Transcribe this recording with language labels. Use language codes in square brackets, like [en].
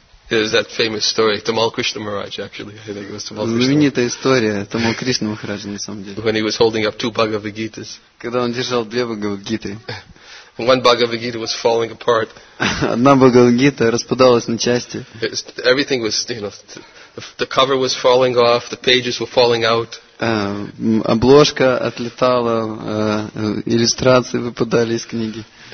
[en] There's that famous story, Tamal Krishna Maharaj, actually. I think it was Tamal Krishna. [ru] Знаменитая история Тамал Кришна Махараджа, на самом деле. [en] When he was holding up two Bhagavad Gitas. [ru] Когда он держал две Бхагавад Гиты. [en] One Bhagavad Gita was falling apart. [ru] Одна Бхагавад Гита распадалась на части. [en] Everything was, you know, the cover was falling off, the pages were falling out. [ru] Обложка отлетала, иллюстрации выпадали из книги.